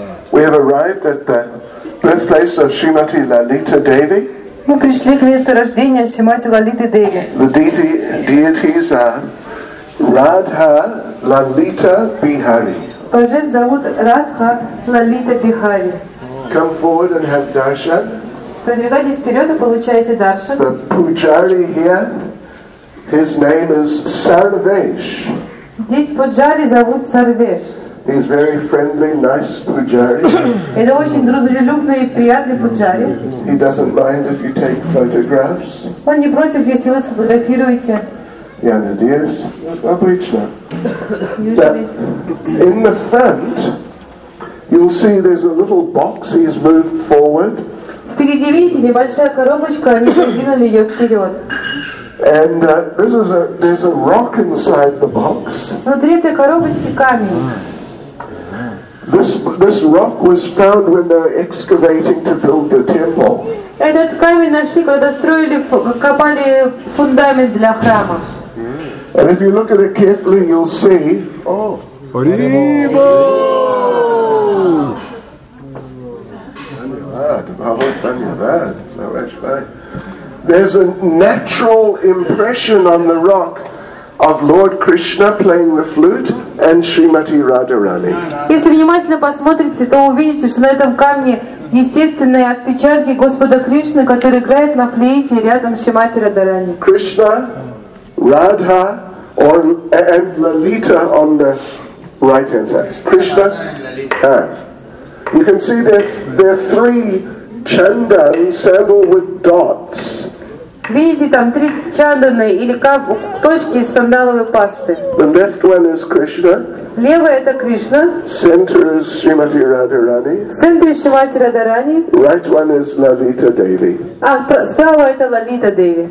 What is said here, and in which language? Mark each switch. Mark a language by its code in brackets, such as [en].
[en] We have arrived at the birthplace of Srimati Lalita Devi. [ru] Мы пришли к месту рождения Шримати Лалиты Деви. [en] The deities are Radha, Lalita, Bihari. [ru] Божен зовут Радха, Лалита, Бихари. [en] Come forward and have darshan. [ru] Продвигайтесь вперед и получайте даршан. [en] The pujari here, his name is Sarvesh. [ru] Здесь пуджари зовут Сарвеш. [en] He's very friendly, nice pujari. [ru] Это очень дружелюбный и приятный пуджари. [en] He doesn't mind if you take photographs. [ru] Он не против, если вы сфотографируете. [en] Yeah, it is. [ru] Обычно. [en] Usually. In the front, you'll see there's a little box. He's moved forward. [ru] Впереди видите небольшая коробочка. Они сдвинули ее вперед. [en] And this is a there's a rock inside the box. [ru] Внутри этой коробочки камень. [en] This rock was found when they were excavating to build the temple. [ru] Этот камень нашли, когда строили, копали фундамент для храма. [en] And if you look at it carefully, you'll see. Oh, Rebo! There's a natural impression on the rock of Lord Krishna playing the flute and Srimati Radharani. [ru] Если внимательно посмотрите, то увидите, что на этом камне естественные отпечатки Господа Кришны, который играет на флейте рядом с Шримати Радарани. [en] Krishna, Radha, or and Lalita on the right hand side. Krishna. You can see there are three chandans, sandalwood dots. [ru] Видите, там три чанданы или точки из сандаловой пасты. [en] The left one is Krishna. [ru] Левая это Кришна. [en] Center is Srimati Radharani. [ru] В центре Шримати Радарани. [en] Right one is Lalita Devi. [ru] А справа это Лалита Деви.